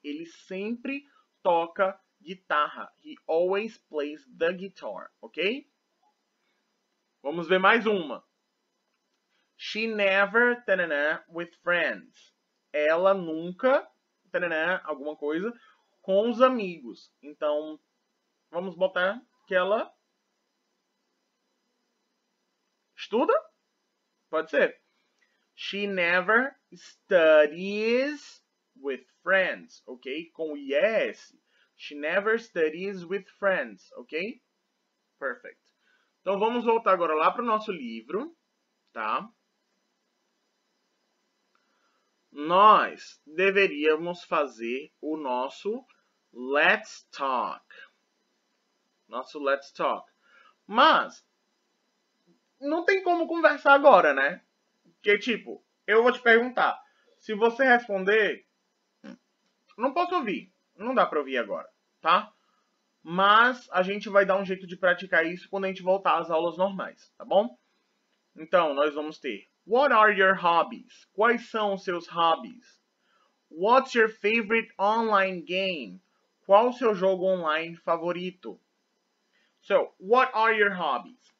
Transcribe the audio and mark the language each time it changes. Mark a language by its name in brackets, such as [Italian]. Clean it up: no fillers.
[Portuguese] Ele sempre toca guitarra. [English] He always plays the guitar, ok? [Portuguese] Vamos ver mais uma. [English] She never, with friends. [Portuguese] Ela nunca, alguma coisa, com os amigos. Então, vamos botar que ela estuda? Pode ser. [English] She never studies with friends, ok? Com yes. She never studies with friends, ok? Perfect. [Portuguese] Então, vamos voltar agora lá para o nosso livro, tá? Nós deveríamos fazer o nosso let's talk. Nosso let's talk. Mas, não tem como conversar agora, né? Porque, tipo, eu vou te perguntar. Se você responder, não posso ouvir. Não dá pra ouvir agora, tá? Mas a gente vai dar um jeito de praticar isso quando a gente voltar às aulas normais, tá bom? Então, nós vamos ter. [English] What are your hobbies? [Portuguese] Quais são os seus hobbies? [English] What's your favorite online game? [Portuguese] Qual o seu jogo online favorito? [English] So, what are your hobbies?